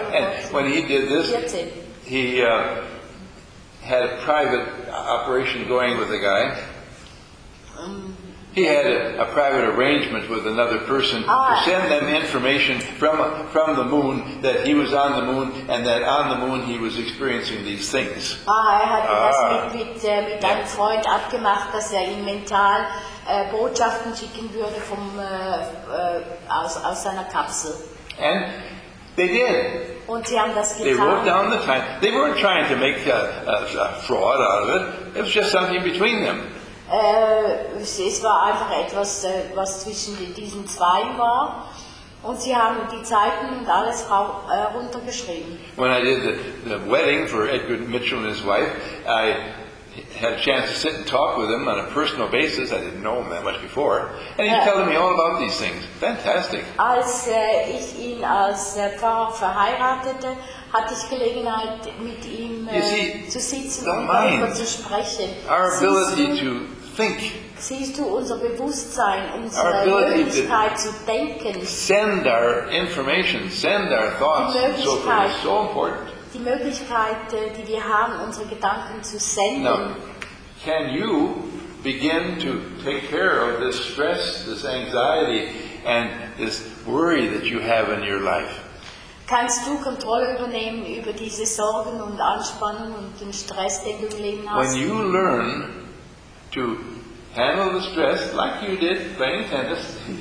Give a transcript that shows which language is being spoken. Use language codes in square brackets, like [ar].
[en] And when he did this, he had a private operation going with a guy. He had a private arrangement with another person to send them information from the moon that he was on the moon and that on the moon he was experiencing these things. [de] Mit einem Freund abgemacht, dass ihm mental Botschaften schicken würde vom aus seiner Kapsel. [en] And they did. [de] Und sie haben das getan. [en] They wrote down the time. They weren't trying to make a fraud out of it. It was just something between them. [de] Es war einfach etwas, was zwischen diesen zwei war. Und sie haben die Zeiten und alles runtergeschrieben. [en] When I did the wedding for Edgar Mitchell and his wife, I had a chance to sit and talk with him on a personal basis. I didn't know him that much before. And he's telling me all about these things. Fantastic. [de] Als ich ihn als Pfarrer verheiratete, hatte ich Gelegenheit, mit ihm zu sitzen und darüber zu sprechen. [en] Our ability to think. [de] Siehst du unser Bewusstsein, unsere Möglichkeit zu denken. [en] Send our information, send our thoughts and so forth is so important. [de] Die Möglichkeit, die wir haben, unsere Gedanken zu senden. [en] Now, can you begin to take care of this stress, this anxiety, and this worry that you have in your life? [de] Kannst du Kontrolle übernehmen über diese Sorgen und Anspannung und den Stress, den du im Leben hast? [en] When you learn to handle the stress like you did playing tennis.